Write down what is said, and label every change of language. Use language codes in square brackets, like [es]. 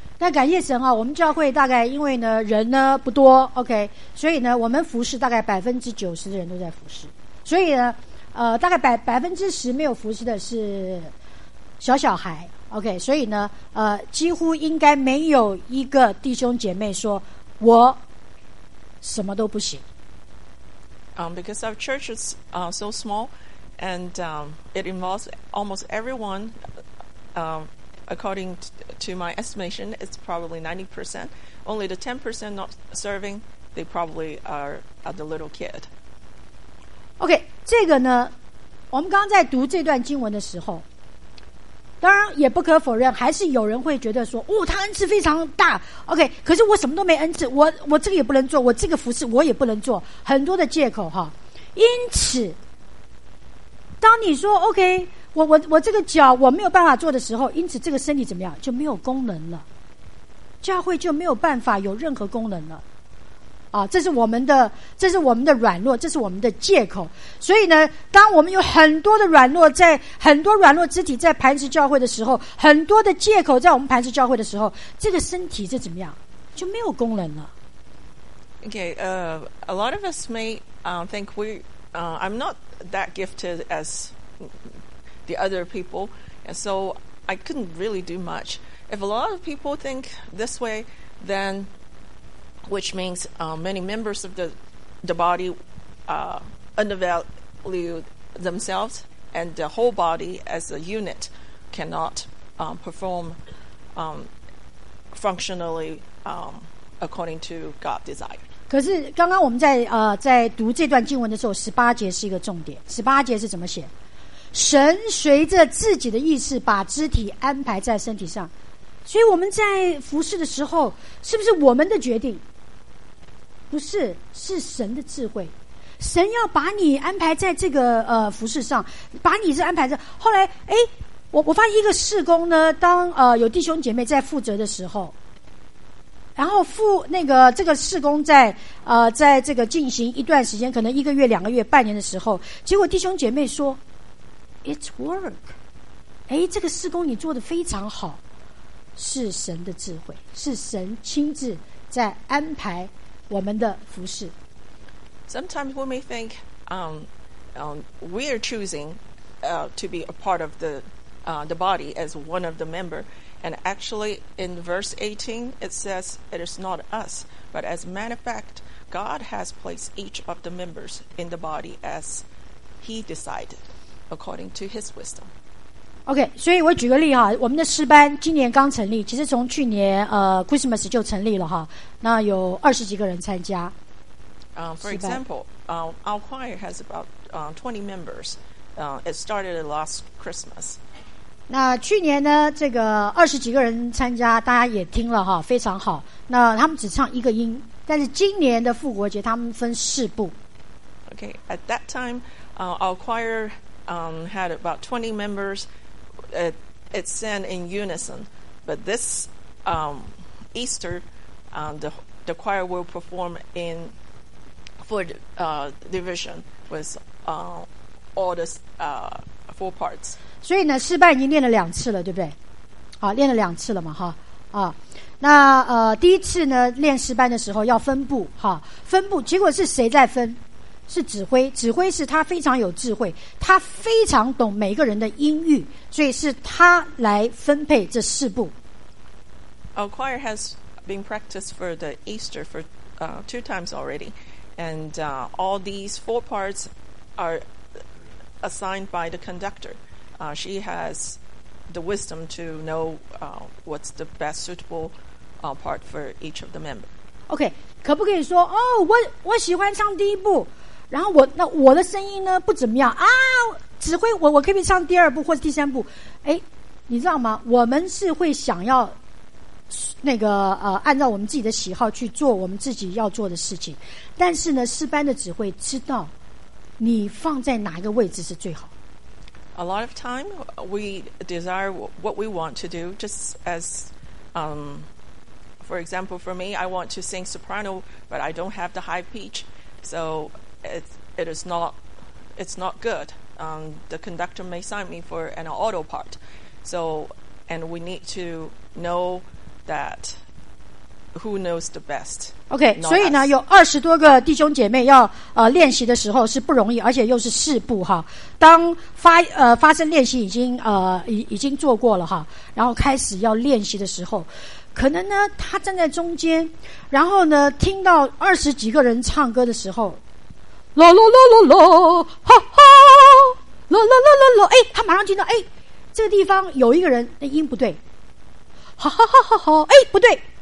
[zh] 那感谢神啊，我们教会大概因为呢人呢不多 OK, 所以呢我们服侍大概 90% 的人都在服侍，所以呢大概 10% 没有服侍的是小小孩OK, 所以呢几乎应该没有一个弟兄姐妹说我什么都不行。 [en] Because our church is so small, and it involves almost everyone, according to my estimation, it's probably 90%. Only the 10% not serving, they probably are the little kid. [zh] OK, 这个呢我们刚在读这段经文的时候，当然也不可否认，还是有人会觉得说，哦，他恩赐非常大 ，OK， 可是我什么都没恩赐，我这个也不能做，我这个服侍我也不能做，很多的借口哈。因此，当你说 OK，我这个脚我没有办法做的时候，因此这个身体怎么样，就没有功能了，教会就没有办法有任何功能了啊！这是我们的软弱，这是我们的借口。所以呢，当我们有很多的软弱，在很多软弱肢体在磐石教会的时候，很多的借口在我们磐石教会的时候，这个身体就怎么样，就没有功能了。 [en] Okay, a lot of us may think I'm not that gifted as the other people, and so I couldn't really do much. If a lot of people think this way, then which means many members of the body undervalue themselves, and the whole body as a unit cannot perform functionally according to God's desire. [zh] 可是刚刚我们在读这段经文的时候，十八节是一个重点。十八节是怎么写？神随着自己的意思把肢体安排在身体上，所以我们在服事的时候，是不是我们的决定？不是，是神的智慧。神要把你安排在这个服事上，把你是安排在。后来，我发现一个事工呢，当有弟兄姐妹在负责的时候。然后这个事工在这个进行一段时间，可能一个月、两个月、半年的时候，结果弟兄姐妹说 ， [en] "It's work"， [zh] 这个事工你做得非常好，是神的智慧，是神亲自在安排我们的服事。 [en] Sometimes we may think, we are choosing, to be a part of the body as one of the member. And actually, in verse 18, it says, it is not us, but as a matter of fact, God has placed each of the members in the body as he decided, according to his wisdom. [zh] Okay, 所以我举个例哈，我们的诗班今年刚成立，其实从去年Christmas 就成立了哈，那有二十几个人参加。 [en] For example, our choir has about 20 members. It started last Christmas. [zh] 那去年呢，这个二十几个人参加，大家也听了哈，非常好。那他们只唱一个音，但是今年的复活节他们分四部。 [en] Okay, at that time, our choir had about 20 members. It sang in unison, but this Easter, the choir will perform in four division with all the four parts. [zh] 所以呢，诗班已经练了两次了，对不对？好，练了两次了嘛，哈啊。那第一次呢，练诗班的时候要分部，哈，分部。结果是谁在分？是指挥，指挥是他非常有智慧，他非常懂每个人的音域，所以是他来分配这四部。 Our choir has been practiced for the Easter for two times already, and all these four parts are assigned by the conductor. She has the wisdom to know what's the best suitable part for each of the member. Okay, 可不可以说哦，我喜欢唱第一部，然后我的声音呢不怎么样啊？指挥我可以唱第二部或者第三部。哎，你知道吗？我们是会想要那个按照我们自己的喜好去做我们自己要做的事情，但是呢，诗班的指挥知道你放在哪一个位置是最好。 [en] A lot of time, we desire what we want to do, just as, for example, for me, I want to sing soprano, but I don't have the high pitch, so it's not good. The conductor may sign me for an alto part, so, and we need to know that. Who knows the best? [zh] Okay, 所以呢，有二十多个弟兄姐妹要练习的时候是不容易，而且又是四步哈。当发生练习已经做过了哈，然后开始要练习的时候，可能呢他站在中间，然后呢听到二十几个人唱歌的时候，啦啦啦啦啦，哈哈，啦啦啦啦啦，他马上听到这个地方有一个人那音不对，哈哈哈哈哈，不对。